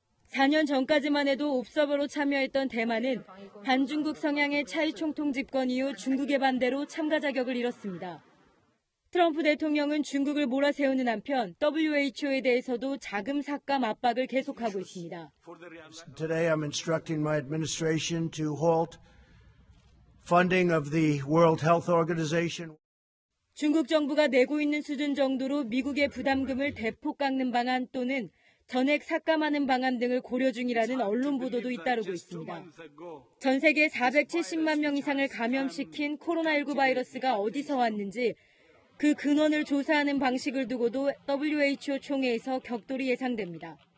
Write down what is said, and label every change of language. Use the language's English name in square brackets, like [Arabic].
[Korean] 4년 전까지만 해도 옵서버로 참여했던 대만은 반중국 성향의 차이총통 집권 이후 중국의 반대로 참가 자격을 잃었습니다. 트럼프 대통령은 중국을 몰아세우는 한편 WHO에 대해서도 자금삭감 압박을 계속하고 있습니다. [English] Today I'm instructing my administration to halt funding of the World Health Organization. [Korean] 중국 정부가 내고 있는 수준 정도로 미국의 부담금을 대폭 깎는 방안 또는 전액 삭감하는 방안 등을 고려 중이라는 언론 보도도 잇따르고 있습니다. 전 세계 470만 명 이상을 감염시킨 코로나19 바이러스가 어디서 왔는지 그 근원을 조사하는 방식을 두고도 WHO 총회에서 격돌이 예상됩니다.